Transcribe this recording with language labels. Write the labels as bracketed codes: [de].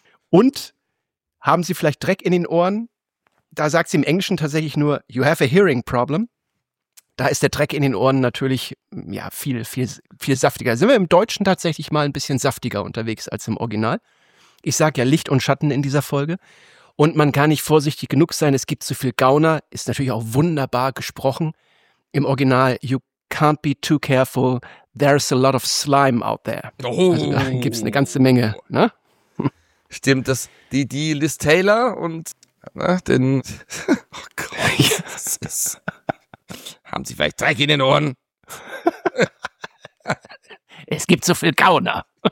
[de] Und haben sie vielleicht Dreck in den Ohren? Da sagt sie im Englischen tatsächlich nur, [en] you have a hearing problem. [de] Da ist der Dreck in den Ohren natürlich ja, viel, viel, viel saftiger. Sind wir im Deutschen tatsächlich mal ein bisschen saftiger unterwegs als im Original? Ich sage ja Licht und Schatten in dieser Folge. Und man kann nicht vorsichtig genug sein, es gibt zu viel Gauner. Ist natürlich auch wunderbar gesprochen. Im Original, [en] you can't be too careful, there's a lot of slime out there. [de] Oh. Also da gibt es eine ganze Menge. Ne? Stimmt, das, die Liz Taylor und na, den... Oh Gott, ja. Das ist... Haben Sie vielleicht Dreck in den Ohren? Es gibt so viel Gauner.